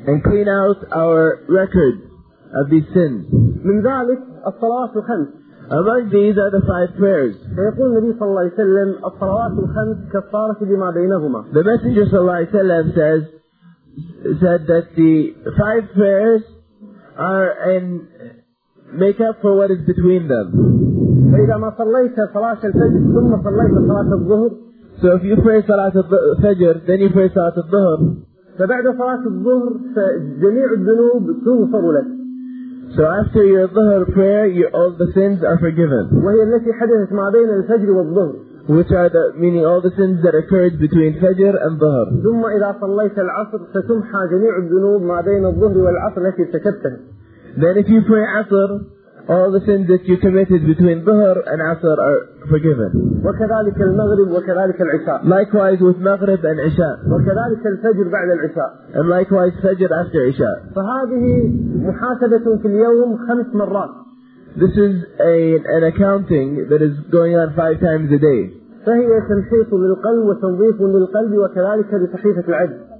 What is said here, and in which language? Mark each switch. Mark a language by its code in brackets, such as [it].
[en] And clean out our record of these sins. [ar] من ذلك الصلاة الخمس. [en] Among these are the five prayers. [ar] يقول النبي صلى الله عليه وسلم الصلوات الخمس كفارة لما بينهما. [en] The Messenger [ar] صلى الله عليه وسلم [en] said that the five prayers are in make up for what is between them. [ar] فإذا ما صليت صلاة الفجر ثم صليت صلاة الظهر. [en] So if you pray [ar] صلاة الفجر, [en] then you pray [ar] صلاة الظهر. فبعد صلاة الظهر فجميع الذنوب تغفر لك. [en] So after your ظهر prayer, all the sins are forgiven. [ar] وهي التي حدثت ما بين الفجر والظهر. [en] Which are the meaning all the sins that occurred between Fajr and Dhuhr. [ar] ثم إذا صليت العصر ستمحى جميع الذنوب ما بين الظهر والعصر التي ارتكبتها. [en] Then if you pray عصر, all the sins that you committed between Dhuhr and Asr are forgiven. [ar] وكذلك المغرب وكذلك العشاء. [en] Likewise with Maghrib and Isha. [ar] وكذلك الفجر بعد العشاء. [en] And likewise Fajr after Isha. [ar] فهذه محاسبة في اليوم خمس مرات. [en] This is an accounting that is going on five times a day. [ar] فهي تنشيط للقلب وتنظيف للقلب وكذلك لتحقيق العدل.